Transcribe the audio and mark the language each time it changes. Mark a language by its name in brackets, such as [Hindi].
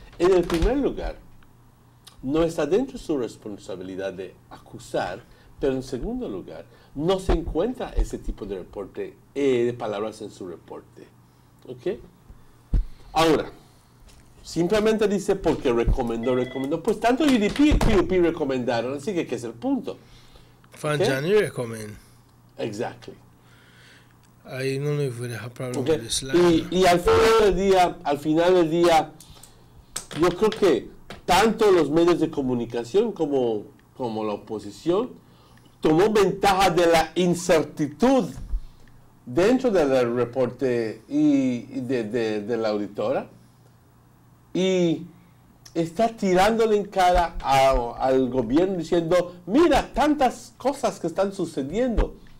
[Spanish] En el primer lugar, no está dentro de su responsabilidad de acusar, pero en segundo lugar, no se encuentra ese tipo de reporte, de palabras en su reporte. ¿Ok? Ahora, simplemente dice porque recomendó. Pues tanto UDP y PUP recomendaron, así que ¿qué es el punto? Fanjani recomendó. [English] Exactly. I don't know if we have a problem with this line. [Spanish] Y al final del día, yo creo que tanto los medios de comunicación como la oposición tomó ventaja de la incertidumbre dentro del reporte y de la auditora y está tirándole en cara al gobierno diciendo, mira, tantas cosas que están sucediendo.